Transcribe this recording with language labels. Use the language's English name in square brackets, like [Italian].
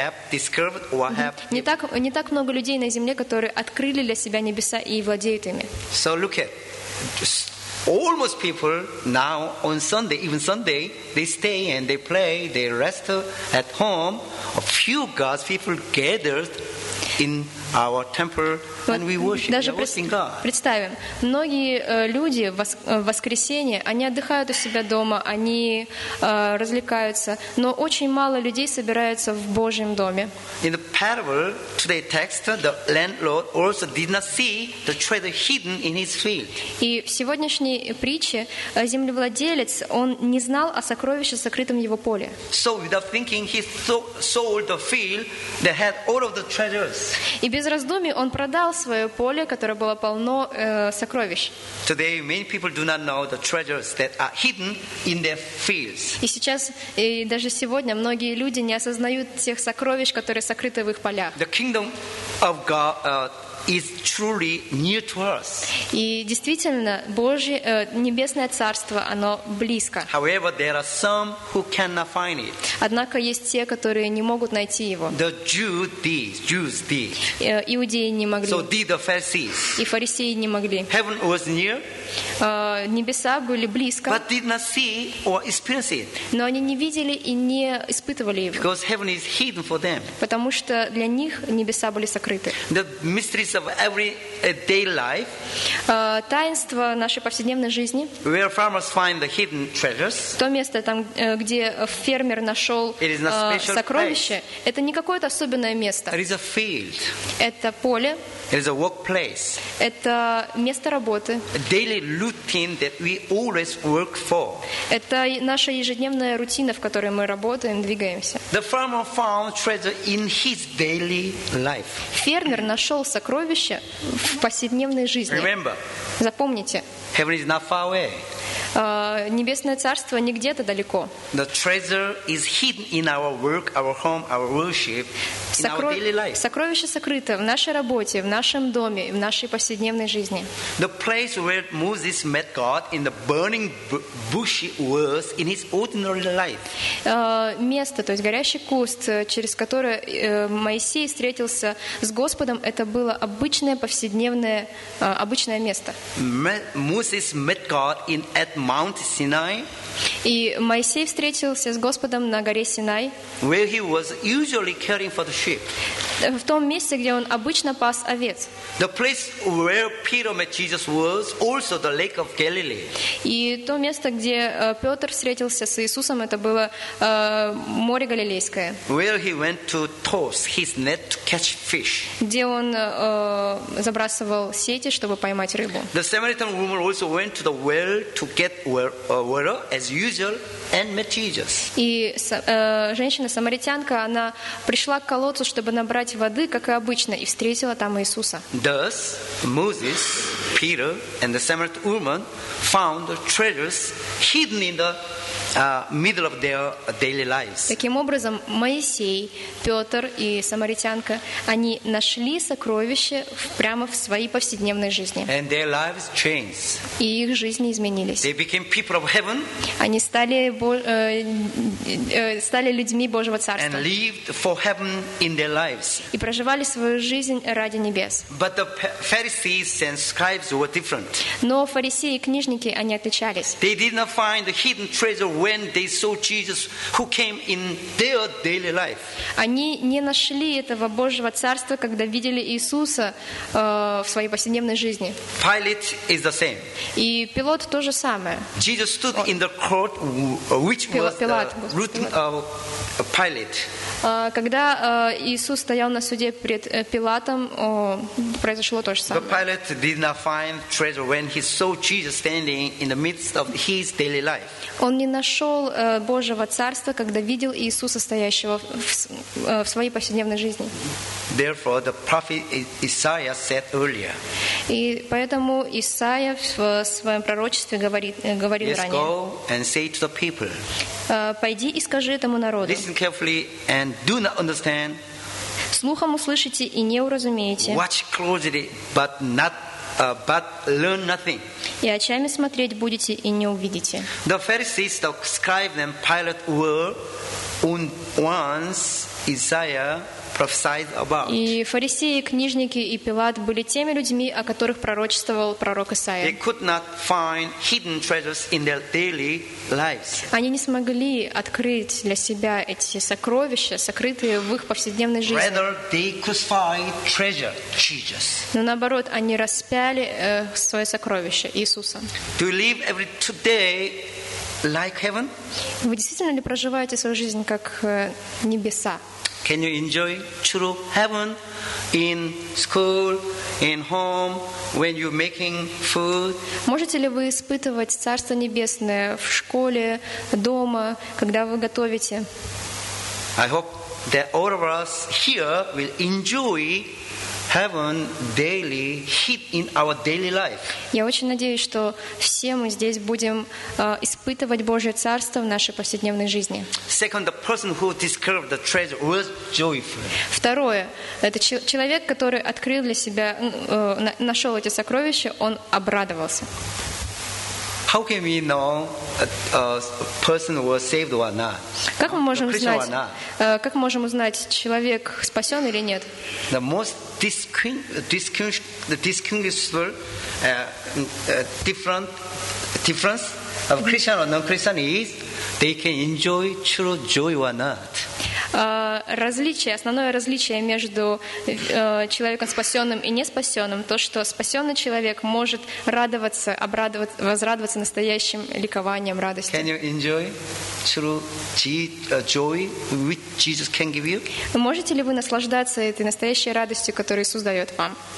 [Russian] Не так много людей на земле, которые открыли для себя небеса и владеют ими. [English] So look at almost people now on Sunday, even Sunday, they stay and they play, they rest at home. A few God's people gathered in our temple, [Russian] вот, [English] and we worship. [Russian] Даже [English] God. [Russian] Представим, многие люди в воскресенье, они отдыхают у себя дома, они развлекаются, но очень мало людей собираются в Божьем доме. [English] In the parable, today's text, the landlord also did not see the treasure hidden in his field. [Russian] И в сегодняшней притче землевладелец, он не знал о сокровище, сокрытом в его поле. [English] So without thinking, he sold the field that had all of the treasures. [Russian] И без раздумий он продал свое поле, которое было полно сокровищ. [English] Today many people do not know the treasures that are hidden in their fields. [Russian] И сейчас, и даже сегодня, многие люди не осознают тех сокровищ, которые сокрыты в их полях. [English] The kingdom of God is truly near to us. [Russian] И действительно, Божье небесное царство, оно близко. [English] However, there are some who cannot find it. [Russian] Однако есть те, которые не могут найти его. [English] The Jews did. [Russian] Иудеи не могли. [English] So did the Pharisees. [Russian] И фарисеи не могли. [English] Heaven was near. [Russian] Небеса были близко. [English] But did not see or experience it. [Russian] Но они не видели и не испытывали его. [English] Because heaven is hidden for them. [Russian] Потому что для них небеса были сокрыты. [English] The mysteries of everyday life. [Russian] Таинство нашей повседневной жизни. [English] Where farmers find the hidden treasures. [Russian] То место там, где фермер нашел сокровище. Это не какое-то особенное место. [English] It is a field. [Russian] Это поле. [English] It is a workplace. [Russian] Это место работы. [English] Daily routine that we always work for. [Russian] Это наша ежедневная рутина, в которой мы работаем, двигаемся. [English] The farmer found treasure in his daily life. [Russian] Фермер нашел сокровище в повседневной жизни. [English] Remember. [Russian] Запомните. [English] Heaven is not far away. [Russian] Небесное царство не где-то далеко. [English] The treasure is hidden in our work, our home, our worship, in our daily life. [Russian] Сокровище сокрыто в нашей работе, в нашем доме, в нашей повседневной жизни. [English] The place where Moses met God in the burning bush was in his ordinary life. [Russian] Место, то есть горящий куст, через которое Моисей встретился с Господом, это было обычное повседневное обычное место. [English] Moses met God in at Mount Sinai. [Russian] И Моисей встретился с Господом на горе Синай. [English] Where he was usually caring for the sheep. [Russian] В том месте, где он обычно пас овец. [English] The place where Peter met Jesus was also the Lake of Galilee. [Russian] И то место, где Петр встретился с Иисусом, это было море Галилейское. [English] Where he went to toss his net to catch fish. [Russian] Где он забрасывал сети, чтобы поймать рыбу. [English] The Samaritan woman also went to the well to get water as usual and met Jesus. [Russian] И женщина самаритянка, она пришла к колодцу, чтобы набрать воды, как и обычно, и встретила там Иисуса. [English] Thus, Moses, Peter, and the Samaritan woman found treasures hidden in the middle of their daily lives. [Russian] Таким образом, Моисей, Петр и самаритянка, они нашли сокровище прямо в своей повседневной жизни. [English] And their lives changed. [Russian] И их жизни изменились. [English] They became people of heaven. [Russian] Они стали людьми Божьего царства. [English] And lived for heaven in their lives. [Russian] И проживали свою жизнь ради небес. [English] But the Pharisees and scribes were different. [Russian] Но фарисеи и книжники, они отличались. [English] They did not find the hidden treasure when they saw Jesus who came in their daily life. [Russian] Они не нашли этого Божьего царства, когда видели Иисуса в своей повседневной жизни. [English] Pilate is the same. [Russian] И Пилат то же самое. [English] Jesus stood in the court which was written of Pilate. [Russian] Когда Иисус стоял на суде перед Пилатом, произошло то же самое. [English] But Pilate did not find treasure when he saw Jesus standing in the midst of his daily life. [Russian] Он не нашел Божьего царства, когда видел Иисуса, стоящего в своей повседневной жизни. [English] Therefore, the prophet Isaiah said earlier. [Russian] И поэтому Исаия в своем пророчестве говорил ранее. [English] Yes, go and say to the people. [Russian] Пойди и скажи этому народу. [English] Listen carefully and do not understand. [Russian] Слухом услышите и не уразумеете. [English] Watch closely, but not. But learn nothing. [Russian] И очами смотреть будете и не увидите. [English] The Pharisees, the scribes, and Pilate were once Isaiah prophesied about. [Russian] И фарисеи, книжники и Пилат были теми людьми, о которых пророчествовал пророк Исаия. [English] They could not find hidden treasures in their daily lives. [Russian] Они не смогли открыть для себя эти сокровища, сокрытые в их повседневной жизни. [English] Rather, they crucified treasure, Jesus. [Russian] Но наоборот, они распяли свое сокровище Иисуса. [English] To live every today like heaven? [Russian] Вы действительно ли проживаете свою жизнь как небеса? [English] Can you enjoy true heaven in school, in home, when you're making food? [Russian] Можете ли вы испытывать Царство Небесное в школе, дома, когда вы готовите? [English] I hope that all of us here will enjoy heaven daily, hit in our daily life. [Russian] Я очень надеюсь, что все мы здесь будем испытывать Божье царство в нашей повседневной жизни. [English] Second, the person who discovered the treasure was joyful. [Russian] Второе, это человек, который открыл для себя, нашел эти сокровища, он обрадовался. [English] How can we know a person was saved or not? [Russian] Как мы можем узнать, человек спасен или нет? [English] The most difference of Christian or non-Christian is they can enjoy true joy or not. [Russian] Основное различие между человеком спасенным и не спасенным, то, что спасенный человек может радоваться, возрадоваться настоящим ликованием, радостью. [English] Can you enjoy true joy which Jesus can give you? [Russian] Можете ли вы наслаждаться этой настоящей радостью, которую Иисус дает вам?